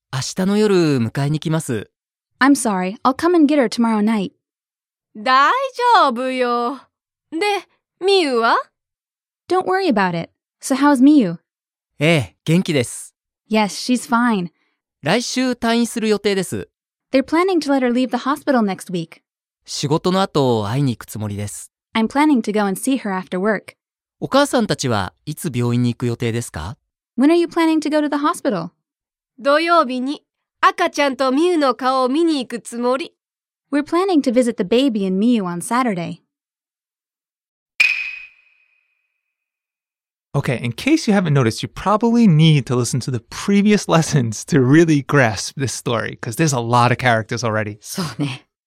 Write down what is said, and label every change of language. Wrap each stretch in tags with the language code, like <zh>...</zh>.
<ja>明日の夜、迎えに来ます。</ja> <en>I'm sorry. I'll come and get her tomorrow night.</en> <ja>大丈夫よ。で、みゆは?</ja> <en>Don't worry about it. So how's Miyu?</en> <ja>ええ、元気です。</ja> <en>Yes, she's fine.</en> <ja>来週退院する予定です。</ja> <en>They're planning to let her leave the hospital next week.</en> <ja>仕事の後、会いに行くつもりです。</ja> <en>I'm planning to go and see her after work.</en> <ja>お母さんたちはいつ病院に行く予定ですか?</ja> <en>When are you planning to go to the hospital?</en> <ja>土曜日に赤ちゃんとミユの顔を見に行くつもり。</ja> <en>We're planning to visit the baby and Miyu on Saturday. Okay, in case you haven't noticed, you probably need to listen to the previous lessons to really grasp this story, because there's a lot of characters already.</en> <ja>そうね。</ja>